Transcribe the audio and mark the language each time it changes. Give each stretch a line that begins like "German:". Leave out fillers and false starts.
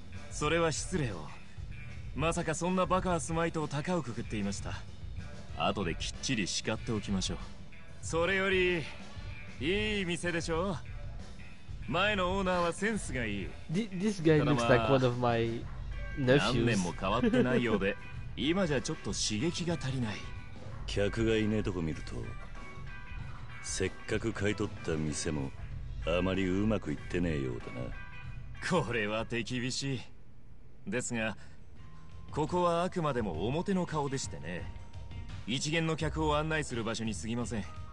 Japanese: それは失礼を。まさかそんなバカはすまいと高をくくっていました。後できっちり叱っておきましょう。それよりいい店でしょ。前のオーナーはセンスがいい。
English: This guy looks like one of my nephews.
Japanese: 何年も変わってないようで今じゃちょっと刺激が足りない。客がいねえとこ見るとせっかく買い取った店もあまりうまくいってねえようだな。これは手厳しい。ですがここはあくまでも表の顔でしてね、一元の客を案内する場所にすぎません。